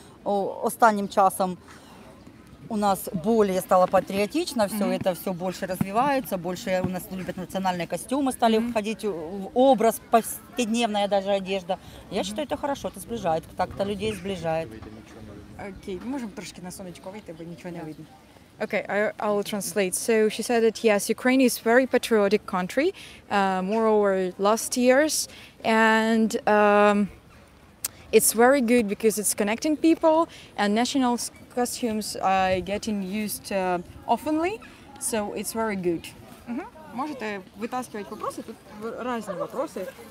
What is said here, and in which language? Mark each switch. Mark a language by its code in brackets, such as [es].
[uk] Останнім часом [ru] у нас более стало патриотично, все это все больше развивается, больше у нас любят национальные костюмы, стали входить в образ, повседневная даже одежда. Я считаю, это хорошо, это сближает, так-то людей сближает. [uk] Окей, можем трошки на сонечко выйти, бо нічого не видно. [en] Okay, I'll translate. So she said that yes, Ukraine is a very patriotic country, moreover last years, and it's very good because it's connecting people and national costumes are getting used oftenly, so it's very good. [ru] Можете вытаскивать вопросы, тут разные вопросы.